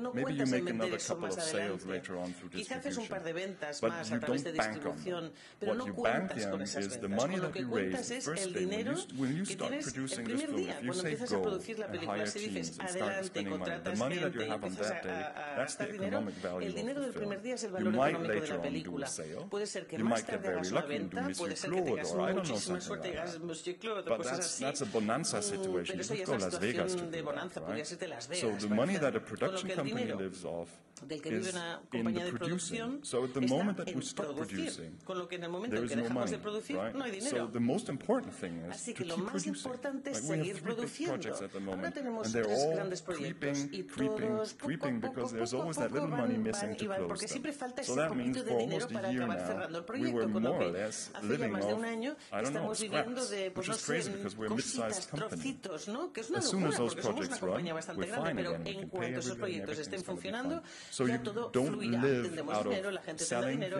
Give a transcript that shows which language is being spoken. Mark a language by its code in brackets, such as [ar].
[en] Maybe you make another couple of sales later on through distribution, but you don't bank on them. What you bank on is the money that you raise the first day. When you start producing this film, if you say go and hire teams and start spending money, the money that you have on that day, that's the economic value of the film. You might later on do a sale. [es] Puede ser que más tarde hagas una venta, puede ser que tengas muchísima suerte, hagas Monsieur Claude o cosas así. [en] But that's a bonanza situation. [es] Pero eso ya es una situación de bonanza, podría ser de Las Vegas. [en] So the money that a production company lives off is in the producing. So at the moment that we stop producing, there is no money, right? So the most important thing is to keep producing. We have three big projects at the moment, and they're all creeping, because there's always that little money missing to close them. So that means for almost a year [es] acabar cerrando el proyecto, con lo que hace ya más de un año estamos viviendo de, pues no sé, cositas, trocitos, ¿no? Que es una locura, porque somos una compañía bastante grande, pero en cuanto esos proyectos estén funcionando, ya todo fluirá, tendremos dinero, la gente tendrá dinero.